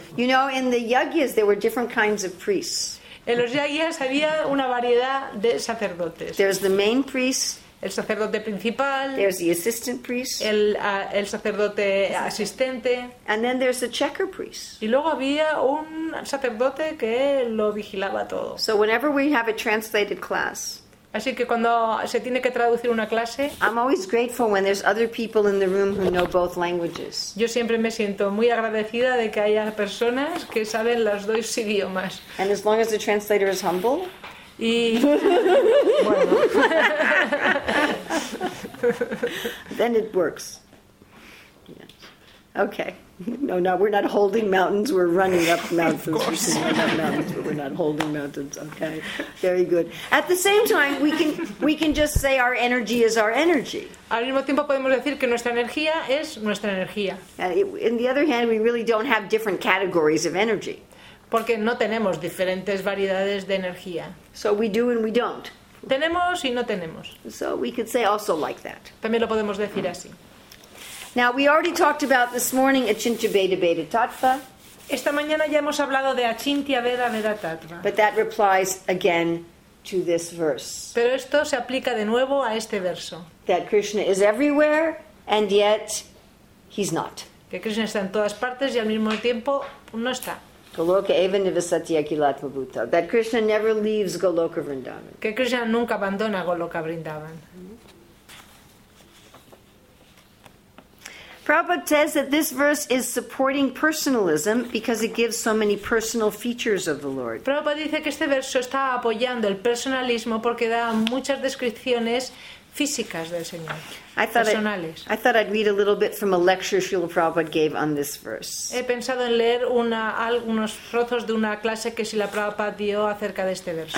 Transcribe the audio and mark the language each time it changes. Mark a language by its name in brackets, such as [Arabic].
[English] You know, in the yagyas there were different kinds of priests. [Spanish] En los yagyas había una variedad de sacerdotes. [English] There's the main priest. [Spanish] El sacerdote principal. [English] There's the assistant priest. [Spanish] El sacerdote asistente. [English] And then there's the checker priest. [Spanish] Y luego había un sacerdote que lo vigilaba todo. [English] So whenever we have a translated class. [Spanish] Así que cuando se tiene que traducir una clase. [English] I'm always grateful when there's other people in the room who know both languages. [Spanish] Yo siempre me siento muy agradecida de que haya personas que saben los dos idiomas. [English] And as long as the translator is humble. [Spanish] Y bueno. [English] Then it works. Yes. Okay. No, we're not holding mountains. We're running up mountains. Of course. We're running up mountains, but we're not holding mountains. Okay. Very good. At the same time, we can just say our energy is our energy. [Spanish] Al mismo tiempo podemos decir que nuestra energía es nuestra energía. [English] In the other hand, we really don't have different categories of energy. [Spanish] Porque no tenemos diferentes variedades de energía. [English] So we do and we don't. [Spanish] Tenemos y no tenemos. [English] So we could say also like that. [Spanish] También lo podemos decir así. [English] Now we already talked about this morning Achintya Veda Veda Tattva. [Spanish] Esta mañana ya hemos hablado de Achintya Veda Veda Tattva. [English] But that replies again to this verse. [Spanish] Pero esto se aplica de nuevo a este verso. [English] That Krishna is everywhere and yet he's not. [Spanish] Que Krishna está en todas partes y al mismo tiempo no está. [Sanskrit] Goloka eva nivasati akilatva bhuta. [English] That Krishna never leaves Goloka Vrindavan. [Spanish] Que Krishna nunca abandona Goloka Vrindavan. [English] Prabhupada says that this verse is supporting personalism because it gives so many personal features of the Lord. [Spanish] Prabhupada dice que este verso está apoyando el personalismo porque da muchas descripciones físicas del Señor. [English] I thought I'd read a little bit from a lecture Srila Prabhupada gave on this verse. [Spanish] He pensado en leer algunos trozos de una clase que Srila Prabhupada dio acerca de este verso.